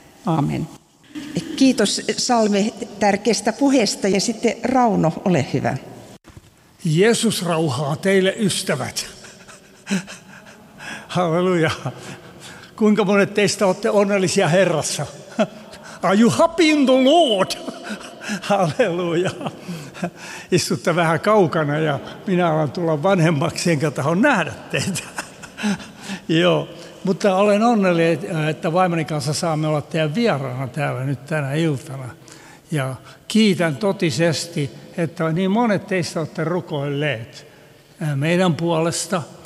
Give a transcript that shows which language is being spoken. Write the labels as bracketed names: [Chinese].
[Finnish] Aamen. Kiitos Salme tärkeästä puheesta ja sitten Rauno, ole hyvä. Jeesus rauhaa teille, ystävät. Halleluja. Kuinka monet teistä olette onnellisia Herrassa? [English] Are you happy in the Lord? [Finnish] Halleluja. Istutte vähän kaukana ja minä alan tulla vanhemmaksi, enkä tahon nähdä teitä. Joo, mutta olen onnellinen, että vaimoni kanssa saamme olla teidän vieraana täällä nyt tänä iltana. Ja kiitän totisesti, että niin monet teistä olette rukoilleet meidän puolesta.